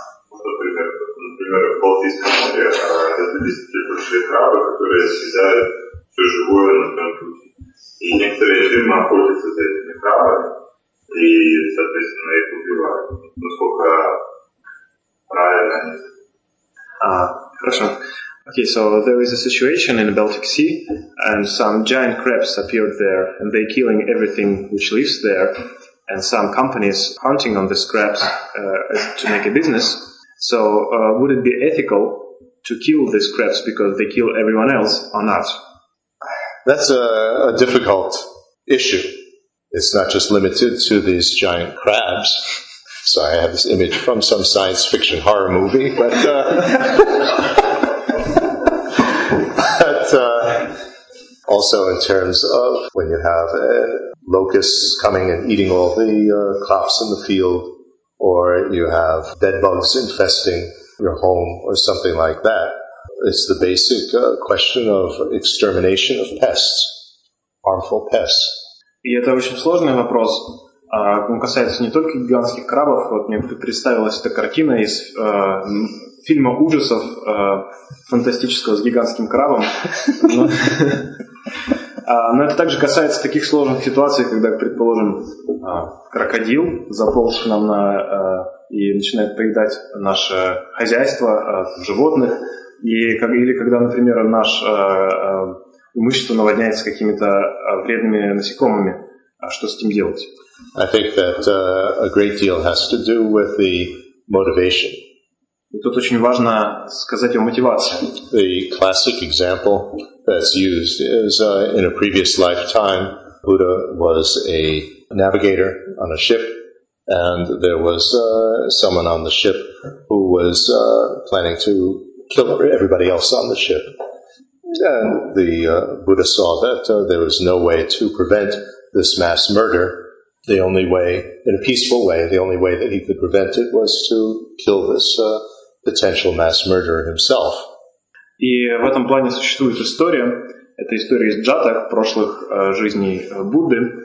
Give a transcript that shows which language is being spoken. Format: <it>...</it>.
<ru>Например, в Балтийском море есть большие крабы, которые съедают все живое на пути. И некоторые фирмы охотятся за этими крабами и, соответственно, их убивают. Насколько правильно они? Хорошо.</ru> <en>Okay, so there is a situation in the Baltic Sea, and some giant crabs appeared there, and they're killing everything which lives there, and some companies hunting on these crabs to make a business. So would it be ethical to kill these crabs because they kill everyone else or not? That's a difficult issue. It's not just limited to these giant crabs. So I have this image from some science fiction horror movie, but... also in terms of when you have locusts coming and eating all the crops in the field, or you have dead bugs infesting your home or something like that. It's the basic question of extermination of pests, harmful pests.</en> <ru>И это очень сложный вопрос. Он касается не только гигантских крабов. Вот мне представилась эта картина из фильма ужасов фантастического с гигантским крабом. Но это также касается таких сложных ситуаций, когда, предположим, крокодил заполз к нам и начинает поедать наше хозяйство, животных, или когда, например, наше имущество наводняется какими-то вредными насекомыми. Что с этим делать?</ru> <en>I think that a great deal has to do with the motivation.</en> <ru>И тут очень важно сказать о мотивации.</ru> <en>The classic example that's used is in a previous lifetime, Buddha was a navigator on a ship, and there was someone on the ship who was planning to kill everybody else on the ship. And the Buddha saw that there was no way to prevent this mass murder. The only way, in a peaceful way, the only way that he could prevent it was to kill this potential mass murderer himself.</en> <ru>И в этом плане существует история. Это история из джатак, прошлых жизней Будды.</ru>